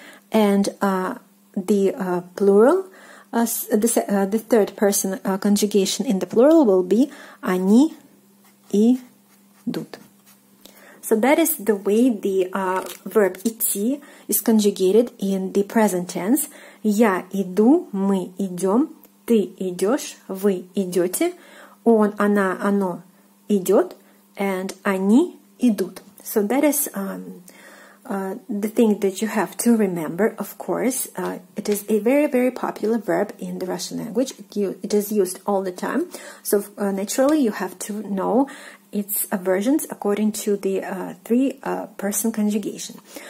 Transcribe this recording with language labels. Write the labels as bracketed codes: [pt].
[en] And the plural, the third person conjugation in the plural will be [ru] они и идут. [en] So that is the way the verb идти is conjugated in the present tense. [ru] Я иду, мы идем, ты идешь, вы идете, он, она, оно идет, [en] and [ru] они идут. [en] So that is the thing that you have to remember, of course. It is a very, very popular verb in the Russian language. It is used all the time. So naturally, you have to know its versions according to the three-person conjugation.